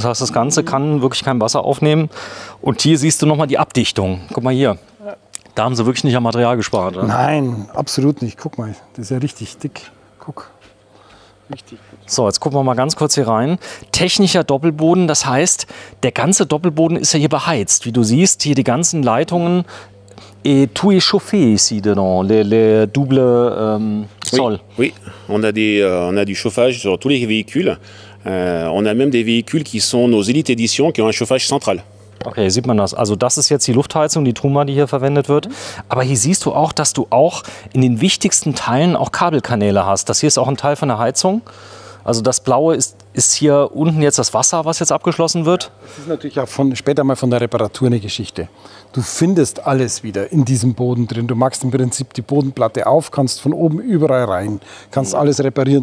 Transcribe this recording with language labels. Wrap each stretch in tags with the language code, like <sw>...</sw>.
<de>Das heißt, das Ganze kann wirklich kein Wasser aufnehmen. Und hier siehst du nochmal die Abdichtung. Guck mal hier. Da haben sie wirklich nicht am Material gespart. Oder? Nein, absolut nicht. Guck mal, das ist ja richtig dick. Guck. Richtig. So, jetzt gucken wir mal ganz kurz hier rein. Technischer Doppelboden, das heißt, der ganze Doppelboden ist ja hier beheizt. Wie du siehst, hier die ganzen Leitungen.</de> <fr>Et tout est chauffé ici dedans, les doubles sols. Oui, on a du chauffage sur tous les véhicules. On a même des véhicules qui sont nos Elite Editions, qui ont un chauffage central.</fr> <de>Ok, sieht man das. Also das ist jetzt die Luftheizung, die Truma, die hier verwendet wird. Aber hier siehst du auch, dass du auch in den wichtigsten Teilen auch Kabelkanäle hast. Das hier ist auch ein Teil von der Heizung. Also das Blaue ist hier unten jetzt das Wasser, was jetzt abgeschlossen wird. Das ist natürlich auch später mal von der Reparatur eine Geschichte. Du findest alles wieder in diesem Boden drin. Du machst im Prinzip die Bodenplatte auf, kannst von oben überall rein, kannst alles reparieren.</de>